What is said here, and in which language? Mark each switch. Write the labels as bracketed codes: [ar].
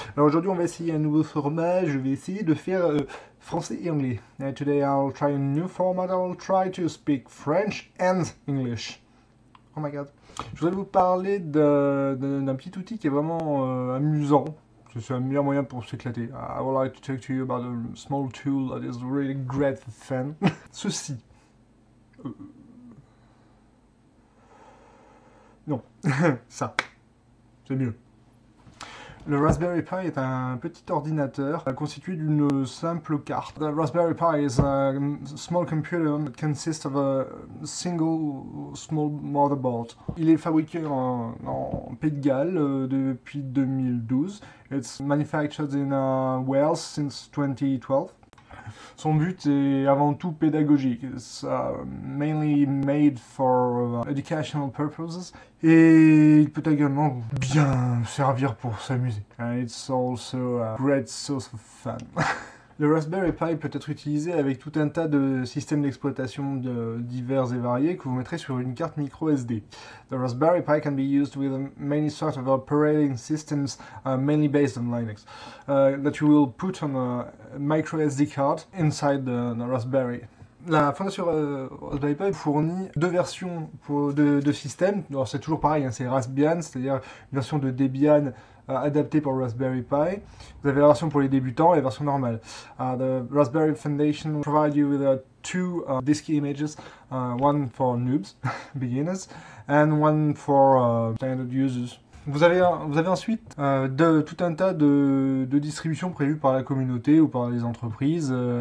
[fr] Alors aujourd'hui, on va essayer un nouveau format. Je vais essayer de faire français et anglais. [en] Today, I'll try a new format. I'll try to speak French and English. Oh my god. [fr] Je voudrais vous parler d'un petit outil qui est vraiment amusant. C'est un meilleur moyen pour s'éclater. [en] I would like to talk to you about a small tool that is really great for fun. [fr] Ceci. Non, ça, c'est mieux. Le Raspberry Pi est un petit ordinateur constitué d'une simple carte. [en] The Raspberry Pi is a small computer that consists of a single small motherboard. [fr] Il est fabriqué en Pays de Galles depuis 2012. [en] It's manufactured in Wales since 2012. [fr] Son but est avant tout pédagogique. [en] It's mainly made for educational purposes. [fr] Et il peut également bien servir pour s'amuser. [en] It's also a great source of fun. [fr] Le Raspberry Pi peut être utilisé avec tout un tas de systèmes d'exploitation divers et variés que vous mettrez sur une carte micro SD. [en] The Raspberry Pi can be used with many sorts of operating systems, mainly based on Linux, that you will put on a micro SD card inside the Raspberry. [fr] La Fondation Raspberry Pi fournit deux versions de systèmes. Alors c'est toujours pareil, hein, c'est Raspbian, c'est-à-dire une version de Debian adapté pour Raspberry Pi. Vous avez la version pour les débutants et la version normale. [en] The Raspberry Foundation provide you with two disk images, one for noobs, beginners, and one for standard users. [fr] Vous avez ensuite tout un tas de distributions prévues par la communauté ou par les entreprises.